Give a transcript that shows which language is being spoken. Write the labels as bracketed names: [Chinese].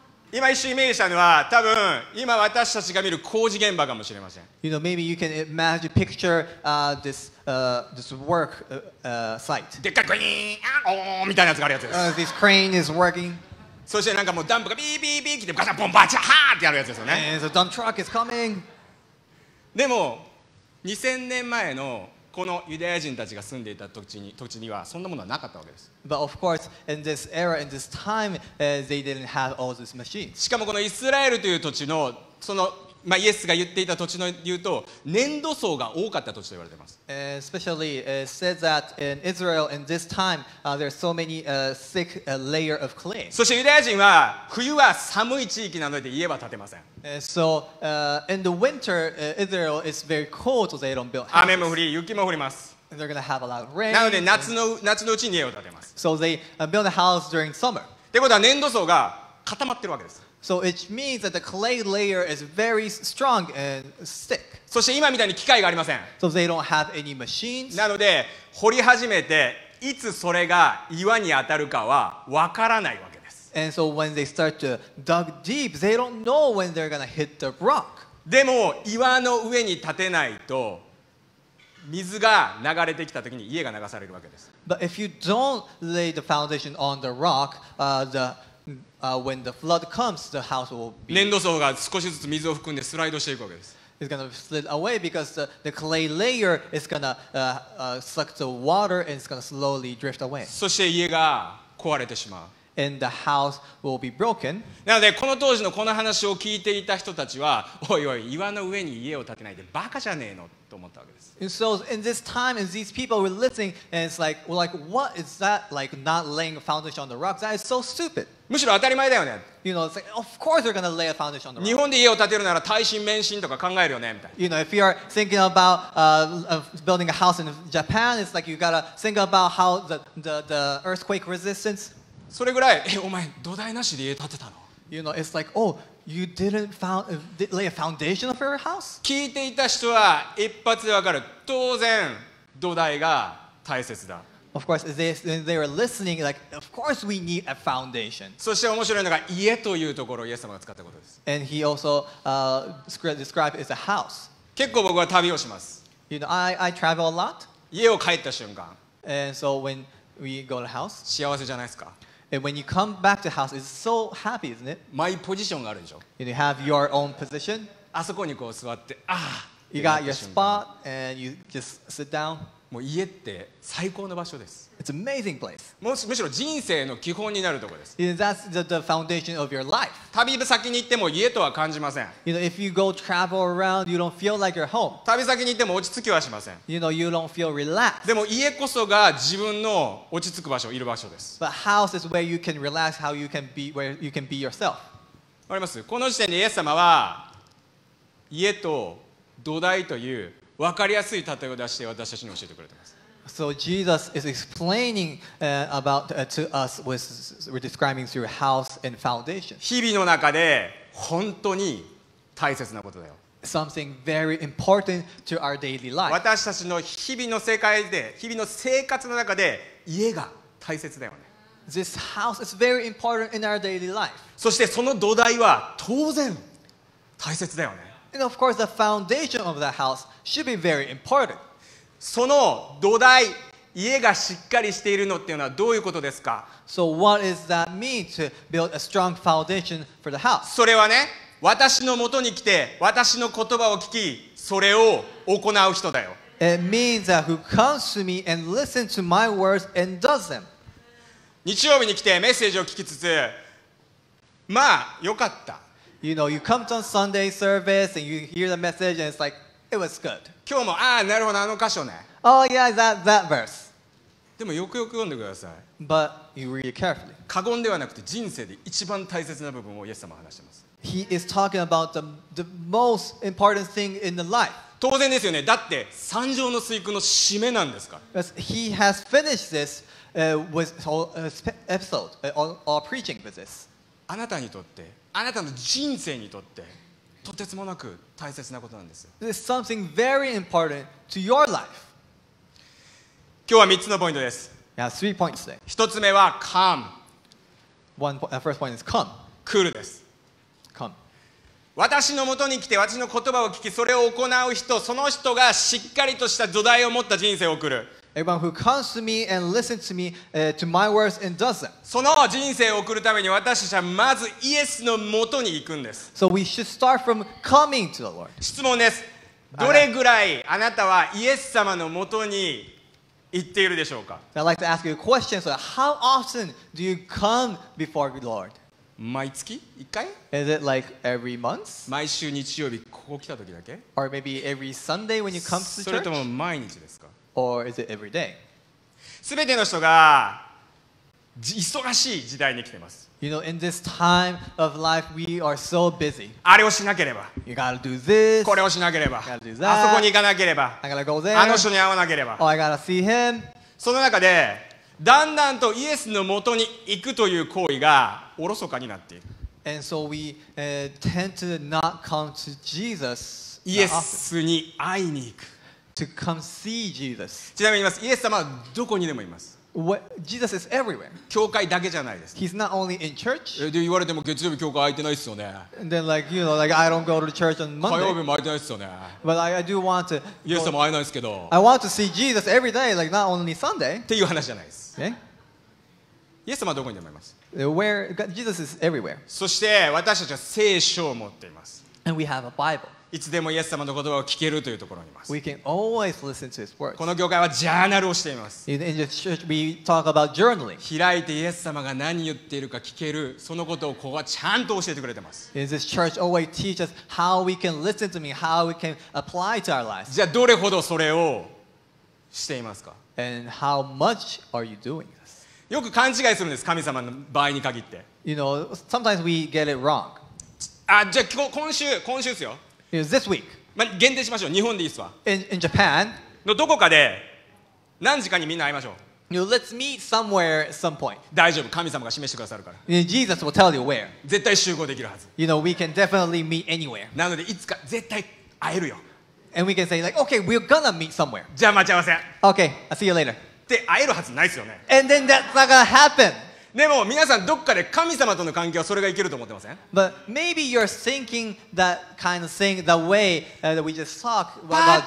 [Japanese] 今一瞬イメージしたのは、多分今私たちが見る工事現場かもしれません。 [English] You know, maybe you can imagine picture this work site. [Japanese] でっかいクリーン、おーみたいなやつがあるやつです。 [English] This crane is working. [Japanese] そしてなんかもうダンプがビービービー来てガチャポンバチャハーってやるやつですよね。 [English] And the dump truck is coming. [Japanese] でも2000年前のこのユダヤ人たちが住んでいた土地にはそんなものはなかったわけです。 [English] But of course, in this era, in this time, they didn't have all these machines. [Japanese] しかもこのイスラエルという土地のその、まあ、イエスが言っていた土地の言うと粘土層が多かった土地と言われています。 [English] Especially, said that in Israel, in this time, there are so many thick layer of clay. [Japanese] そしてユダヤ人は冬は寒い地域なので家は建てません。 [English] In the winter, Israel is very cold, so they don't build houses. [Japanese] 雨も降り、雪も降ります。 [English] And they're gonna have a lot of rain. [Japanese] なので夏のうちに家を建てます。 [English] So they build a house during summer. [Japanese] ってことは粘土層が固まってるわけです。 [English] So it means that the clay layer is very strong and thick. [Japanese] そして今みたいに機械がありません。 [English] So they don't have any machines. [Japanese] なので掘り始めていつそれが岩に当たるかはわからないわけです。 [English] And so when they start to dug deep, they don't know when they're gonna hit the rock. [Japanese] でも岩の上に建てないと水が流れてきたときに家が流されるわけです。 [English] But if you don't lay the foundation on the rock, when the flood comes, the house will be. [Japanese] 粘土層が少しずつ水を含んでスライドしていくわけです。 [English] It's gonna slid away because the clay layer is gonna suck the water and it's gonna slowly drift away. [Japanese] そして家が壊れてしまう。 [English] And the house will be broken. [Japanese] なのでこの当時のこの話を聞いていた人たちは、おいおい岩の上に家を建てないでバカじゃねえのと思ったわけです。 [English] And so in this time, as these people were listening, and it's like, well, like, what is that like? Not laying a foundation on the rock? That is so stupid. [Japanese] むしろ当たり前だよね。 [English] You know, it's like, of course they're gonna lay a foundation on the rock. [Japanese] 日本で家を建てるなら耐震免震とか考えるよねみたいな。 [English] You know, if you are thinking about building a house in Japan, it's like you gotta think about how the earthquake resistance. [Japanese] それぐらい、お前土台なしで家建てたの。 [English] You know, it's like, oh, you didn't lay a foundation of your house? [Japanese] 聞いていた人は一発でわかる。当然土台が大切だ。 [English] Of course, they were listening, like, of course we need a foundation. [Japanese] そして面白いのが家というところをイエス様が使ったことです。 [English] And he also described it as a house. [Japanese] 結構僕は旅をします。 [English] You know, I travel a lot. [Japanese] 家を帰った瞬間。 [English] And so when we go to the house. [Japanese] 幸せじゃないですか。 [English] And when you come back to house, it's so happy, isn't it? My position [Japanese] があるでしょ。 [English] You have your own position. [Japanese] あそこにこう座って、ああ。 [English] You got your spot, and you just sit down. [Japanese] もう家って最高の場所です。 [English] It's an amazing place. [Japanese] むしろ人生の基本になるところです。 [English] Yeah, that's the foundation of your life. [Japanese] 旅先に行っても家とは感じません。 [English] You know, if you go travel around, you don't feel like your home. [Japanese] 旅先に行っても落ち着きはしません。 [English] You know, you don't feel relaxed. [Japanese] でも家こそが自分の落ち着く場所、いる場所です。 [English] But house is where you can relax, how you can be, where you can be yourself. [Japanese] わかります? この時点でイエス様は家と土台という分かりやすい例えを出して私たちに教えてくれています。 [English] So Jesus is explaining about to us with describing through house and foundation. [Japanese] 日々の中で本当に大切なことだよ。 [English] Something very important to our daily life. [Japanese] 私たちの日々の世界で、日々の生活の中で家が大切だよね。 [English] This house is very important in our daily life. [Japanese] そしてその土台は当然大切だよね。 [English] And of course, the foundation of the house should be very important. [Japanese] その土台、家がしっかりしているのっていうのはどういうことですか? [English] So what does that mean to build a strong foundation for the house? [Japanese] それはね、私の元に来て、私の言葉を聞き、それを行う人だよ。 [English] It means that who comes to me and listens to my words and does them. [Japanese] 日曜日に来てメッセージを聞きつつ、まあ、よかった。 [English] You know, you come to a Sunday service and you hear the message and it's like, it was good. [Japanese] 今日も、ああ、なるほど、あの箇所ね。 [English] Oh, yeah, that verse. [Japanese] でもよくよく読んでください。 [English] But you read it carefully. [Japanese] 過言ではなくて人生で一番大切な部分をイエス様は話しています。 [English] He is talking about the most important thing in the life. [Japanese] 当然ですよね。だって、三条の水区の締めなんですか。 [English] He has finished this with all episode, all preaching with this. [Japanese] あなたにとって、あなたの人生にとってとてつもなく大切なことなんですよ。 [English] This is something very important to your life. [Japanese] 今日は3つのポイントです。 [English] Yeah, three points today. [Japanese] 一つ目は come. [English] First point is come. [Japanese] 来るです。 [English] Come. [Japanese] 私の元に来て私の言葉を聞きそれを行う人、その人がしっかりとした土台を持った人生を送る。 [English] Everyone who comes to me and listens to me, to my words and does them. [Japanese] その人生を送るために私たちはまずイエスの元に行くんです。 [English] So we should start from coming to the Lord. [Japanese] 質問です。どれぐらいあなたはイエス様の元に行っているでしょうか? [English] I'd like to ask you a question. So how often do you come before the Lord? [Japanese] 毎月一回? [English] Is it like every month? [Japanese] 毎週日曜日ここ来た時だけ? [English] Or maybe every Sunday when you come to the church? [Japanese] それとも毎日ですか? [English] Or is it every day? [Japanese] 全ての人が忙しい時代に来てます。 [English] You know, in this time of life, we are so busy. [Japanese] あれをしなければ。 [English] You gotta do this. [Japanese] これをしなければ。 [English] You gotta do that. [Japanese] あそこに行かなければ。 [English] I gotta go there. [Japanese] あの人に会わなければ。 [English] Oh, I gotta see him. [Japanese] その中で、だんだんとイエスの元に行くという行為がおろそかになっている。 [English] And so we tend to not come to Jesus. [Japanese] イエスに会いに行く。 [English] To come see Jesus. [Japanese] ちなみに言います。イエス様はどこにでもいます。 [English] Jesus is everywhere. [Japanese] 教会だけじゃないです。 [English] He's not only in church. [Japanese] で言われても月曜日教会空いてないですよね。 [English] And then like you know like I don't go to church on Monday. [Japanese] 火曜日も空いてないですよね。 [English] But I do want to. [Japanese] イエス様会えないですけど。 [English] I want to see Jesus every day, like not only Sunday. [Japanese] っていう話じゃないです。え、イエス様はどこにでもいます。 [English] Where Jesus is everywhere. [Japanese] そして私たちは聖書を持っています。 [English] And we have a Bible. [Japanese] いつでもイエス様の言葉を聞けるというところにいます。 [English] We can always listen to his words. [Japanese] この業界はジャーナルをしています。 [English] In the church, we talk about journaling. [Japanese] 開いてイエス様が何言っているか聞ける、そのことをここはちゃんと教えてくれてます。 [English] In this church, always teach us how we can listen to me, how we can apply to our lives. [Japanese] じゃあどれほどそれをしていますか? [English] And how much are you doing this? [Japanese] よく勘違いするんです、神様の場合に限って。 [English] You know, sometimes we get it wrong. [Japanese] あ、じゃあ今週ですよ。 [English] This week. [Japanese] 限定しましょう。日本でいいですわ。 [English] In Japan. [Japanese] のどこかで何時間にみんな会いましょう。 [English] Let's meet somewhere some point. [Japanese] 大丈夫。神様が示してくださるから。 [English] Jesus will tell you where. [Japanese] 絶対集合できるはず。 [English] You know, we can definitely meet anywhere. [Japanese] なのでいつか絶対会えるよ。 [English] And we can say like, okay, we're gonna meet somewhere. [Japanese] じゃあ待ち合わせ。 [English] Okay, I'll see you later. [Japanese] で会えるはずないですよね。 [English] And then that's not gonna happen. [Japanese] でも皆さんどっかで神様との関係はそれがいけると思ってません？ [English] But maybe you're thinking that kind of thing the way that we just talk about Jesus.